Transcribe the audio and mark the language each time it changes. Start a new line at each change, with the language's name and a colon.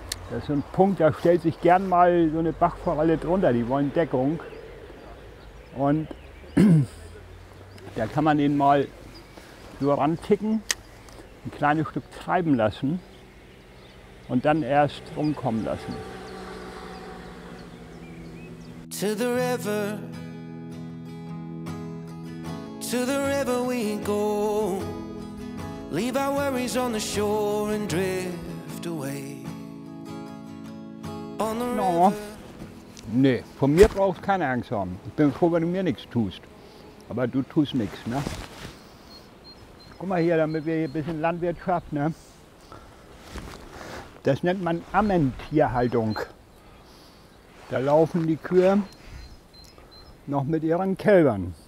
German: Das ist so ein Punkt, da stellt sich gern mal so eine Bachforelle drunter. Die wollen Deckung. Und da kann man den mal so ranticken, ein kleines Stück treiben lassen und dann erst rumkommen lassen.
English: To the river, to the river we go. Leave our worries on the shore and drift away. On the river. No.
German: Nee, von mir brauchst du keine Angst haben. Ich bin froh, wenn du mir nichts tust. Aber du tust nichts, ne? Guck mal hier, damit wir hier ein bisschen Landwirtschaft, ne? Das nennt man Ammentierhaltung. Da laufen die Kühe noch mit ihren Kälbern.